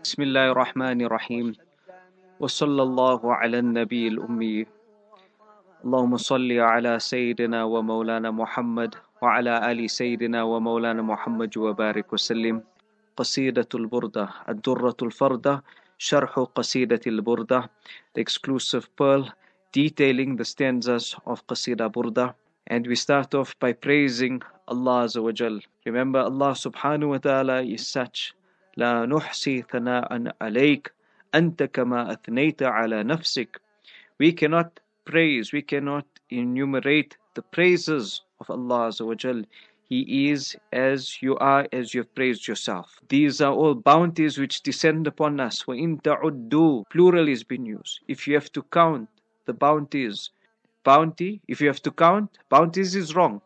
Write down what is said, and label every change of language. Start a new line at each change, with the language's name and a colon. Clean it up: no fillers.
Arabic: بسم الله الرحمن الرحيم وصلى الله على النبي الأمي اللهم صل على سيدنا ومولانا محمد وعلى آل سيدنا ومولانا محمد وبارك وسلم. قصيدة البردة الدرة الفردة شرح قصيدة البردة
English: The exclusive pearl detailing the stanzas of
Arabic: قصيدة بردة.
English: And we start off by praising Allah Azza wa Jal. Remember Allah Subhanahu wa Ta'ala is such
Arabic: لا نحصي ثناء عليك أنت كما أثنيت على نفسك.
English: We cannot praise, we cannot enumerate the praises of Allah Azza wa Jal. He is as you are, as you have praised yourself. These are all bounties which descend upon us.
Arabic: وَإِن تَعُدُّوا
English: plural has been used. If you have to count the bounties, bounty, if you have to count, bounties is wrong.